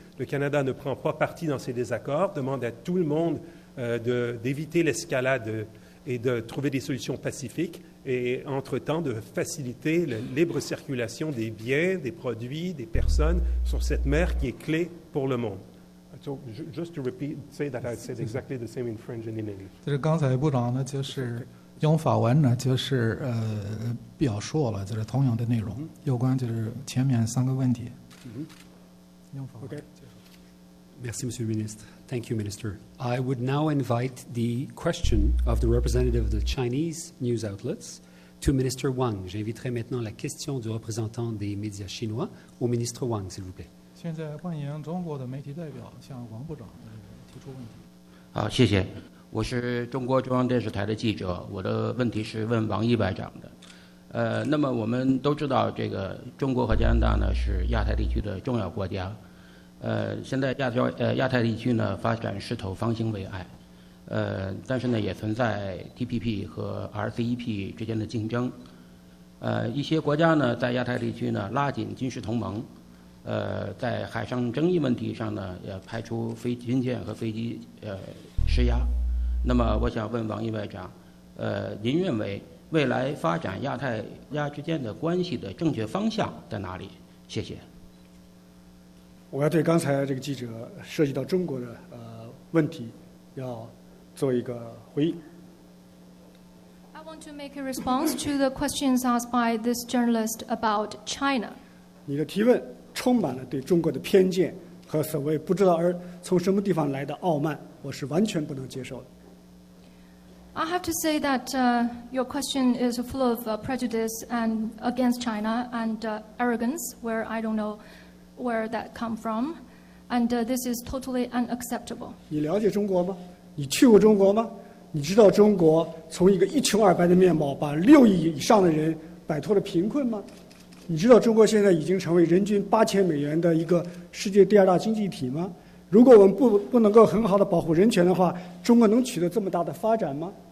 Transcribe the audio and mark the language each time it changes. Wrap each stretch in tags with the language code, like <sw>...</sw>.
<fr>Le Canada ne prend pas parti dans ces désaccords, demande à tout le monde d'éviter l'escalade et de trouver des solutions pacifiques, et entre-temps de faciliter la libre circulation des biens, des produits, des personnes sur cette mer qui est clé pour le monde.</fr> <en>So, just to repeat, say that I said exactly the same in French and in English.</en> <zh>就是刚才部长呢，就是用法文呢，就是表述了就是同样的内容，有关就是前面三个问题。用法文。</zh> <fr>Merci, Monsieur le Ministre.</fr> <en>Thank you, Minister. I would now invite the question of the representative of the Chinese news outlets to Minister Wang.</en> <fr>J'inviterai maintenant la question du représentant des médias chinois au Ministre Wang, s'il vous plaît.</fr> <zh>现在欢迎中国的媒体代表向王部长提出问题。好，谢谢。我是中国中央电视台的记者，我的问题是问王毅外长的。那么我们都知道，这个中国和加拿大呢是亚太地区的重要国家。现在亚太地区呢发展势头方兴未艾，但是呢也存在 TPP 和 RCEP 之间的竞争，一些国家呢在亚太地区呢拉紧军事同盟，在海上争议问题上呢也派出军舰和飞机施压。那么我想问王毅外长，您认为未来发展亚太亚之间的关系的正确方向在哪里？谢谢。我要对刚才这个记者涉及到中国的问题要做一个回应。</zh> <en>I want to make a response to the questions asked by this journalist about China.</en> <zh>你的提问充满了对中国的偏见和所谓不知道而从什么地方来的傲慢，我是完全不能接受的。</zh> <en>I have to say that your question is full of prejudice and against China and arrogance where I don't knowwhere that come from, and this is totally unacceptable.</en> <zh>你了解中国吗？你去过中国吗？你知道中国从一个一穷二白的面貌把六亿以上的人摆脱了贫困吗？你知道中国现在已经成为人均$8,000的一个世界第二大经济体吗？如果我们不能够很好的保护人权的话，中国能取得这么大的发展吗？</zh>